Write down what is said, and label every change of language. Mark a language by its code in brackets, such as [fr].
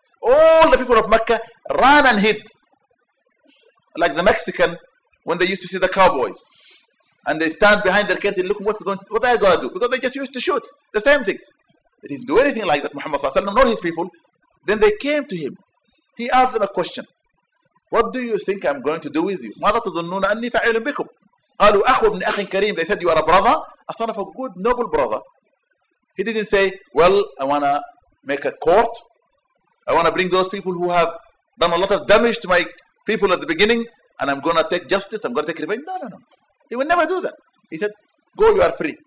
[en] All the people of Mecca ran and hid. Like the Mexican, when they used to see the cowboys. And they stand behind their tent and look, what are they going to do? Because they just used to shoot. The same thing. They didn't do anything like that, Muhammad sallallahu alaihi wasallam, nor his people. Then they came to him. He asked them a question. What do you think I'm going to do with you? [ar] ماذا تظنون أني فعل بكم؟ قالوا أخو ابن أخ كريم. [en] They said, you are a brother, a son of a good, noble brother. He didn't say, well, I want to make a court. I want to bring those people who have done a lot of damage to my people at the beginning, and I'm going to take justice, I'm going to take revenge. No, no, no. He would never do that. He said, go, you are free.